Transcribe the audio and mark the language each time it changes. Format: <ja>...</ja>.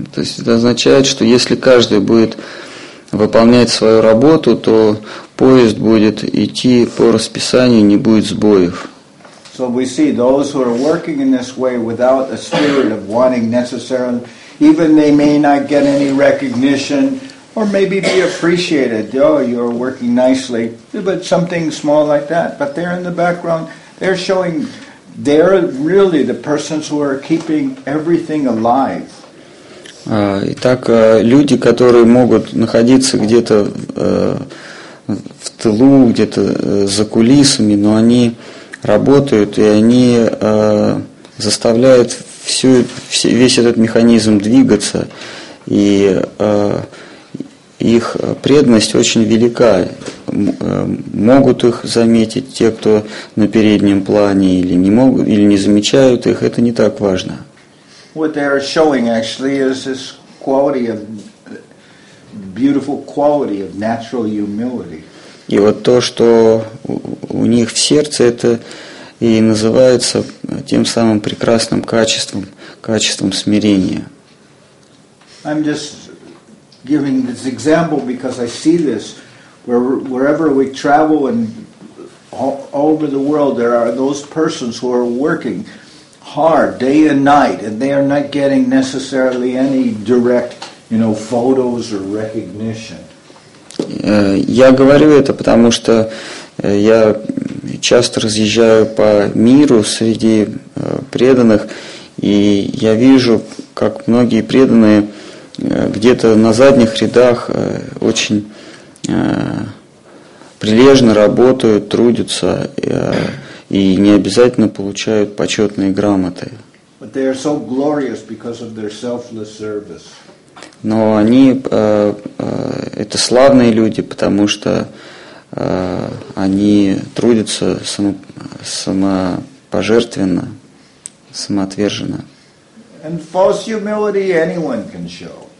<ru>То есть это означает, что если каждый будет выполнять свою работу, то поезд будет идти по расписанию, не будет сбоев.</ru> <en>So we see those who are working in this way without a spirit of wanting necessarily, even they may not get any recognition. Or maybe be appreciated. Oh, you're working nicely. But something small like that. But they're in the background. They're showing. They're really the persons who are keeping everything alive.</en> <ru>Итак, люди, которые могут находиться где-то в тылу, где-то за кулисами, но они работают и они заставляют весь этот механизм двигаться и их преданность очень велика. Могут их заметить те, кто на переднем плане, или не могут, или не замечают их, это не так важно.</ru> <en>What they are showing actually is this quality of beautiful quality of natural humility.</en> <ru>И вот то, что у них в сердце, это и называется тем самым прекрасным качеством, качеством смирения.</ru> <en>I'm just giving this example because I see this wherever we travel and all over the world there are those persons who are working hard day and night and they are not getting necessarily any direct, you know, photos or recognition.</en> <ru>Я говорю это, потому что я часто разъезжаю по миру среди преданных, и я вижу, как многие преданные где-то на задних рядах очень прилежно работают, трудятся и не обязательно получают почетные грамоты.</ru> <en>But they are so glorious because of their selfless service.</en> <ru>Но они это славные люди, потому что они трудятся самопожертвенно, самоотверженно.</ru> <en>And false humility anyone can show.</en>